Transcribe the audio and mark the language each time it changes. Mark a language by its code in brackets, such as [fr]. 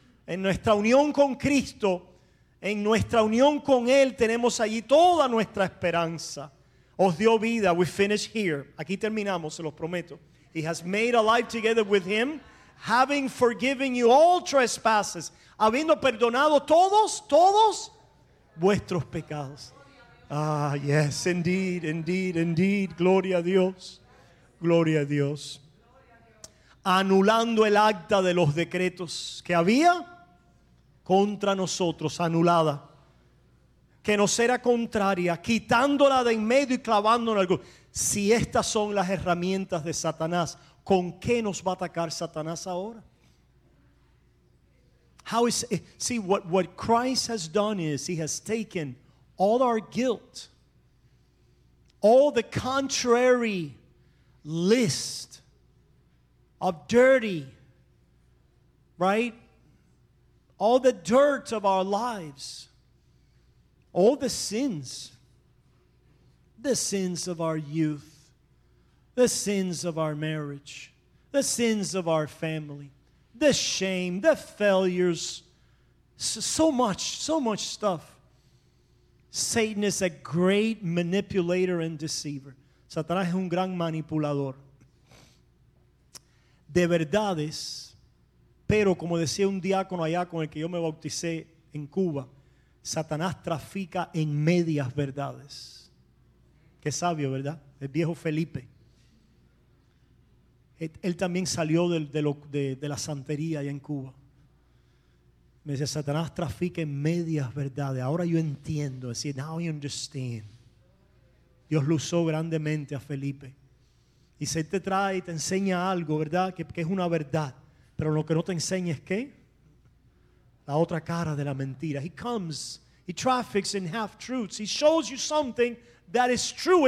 [es] En nuestra unión con Cristo, en nuestra unión con Él, tenemos allí toda nuestra esperanza. Os dio vida. [en] We finish here. [es] Aquí terminamos, se los prometo. [en] He has made alive together with him, having forgiven you all trespasses. [es] Habiendo perdonado todos vuestros pecados. [en] Ah, yes, indeed, indeed, indeed. [es] Gloria a Dios. Gloria a Dios. Anulando el acta de los decretos que había contra nosotros, anulada. Que nos era contraria, quitándola de en medio y clavándola. Si estas son las herramientas de Satanás, ¿con qué nos va a atacar Satanás ahora? [en] How is it? See, what Christ has done is he has taken all our guilt, all the contrary list of dirty, right? All the dirt of our lives. All the sins of our youth, the sins of our marriage, the sins of our family, the shame, the failures, so much stuff. Satan is a great manipulator and deceiver. [es] Satanás es un gran manipulador de verdades, pero como decía un diácono allá con el que yo me bauticé en Cuba, Satanás trafica en medias verdades. Qué sabio, ¿verdad? El viejo Felipe. Él también salió de la santería allá en Cuba. Me dice, Satanás trafica en medias verdades. Ahora yo entiendo. Decir, [en] now I understand. [es] Dios lo usó grandemente a Felipe. Y se te trae y te enseña algo, ¿verdad? Que es una verdad. Pero lo que no te enseña es qué. La otra cara de la mentira. [en] He comes, he traffics in half truths. He shows you something that is true.